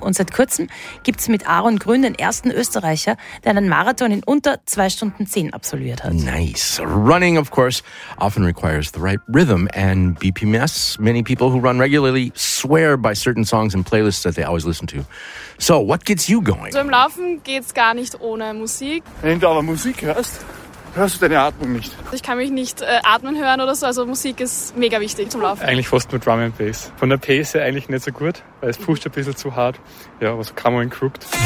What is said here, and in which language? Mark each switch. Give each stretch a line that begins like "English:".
German: Und seit kurzem gibt es mit Aaron Grün den ersten Österreicher, der einen Marathon in unter 2:10 absolviert hat.
English: Nice. Running, of course, often requires the right rhythm and BPMs. Many people who run regularly swear by certain songs and playlists that they always listen to. So, what gets you going?
German: So, im Laufen geht's gar nicht ohne Musik. Wenn du aber Musik hörst, hörst du deine Atmung nicht. Ich kann mich nicht atmen hören oder so, also Musik ist mega wichtig zum Laufen. Eigentlich fast nur Drum and Bass. Von der Pace her eigentlich nicht so gut, weil es pusht ein bisschen zu hart. Ja, aber so Camo and Crooked.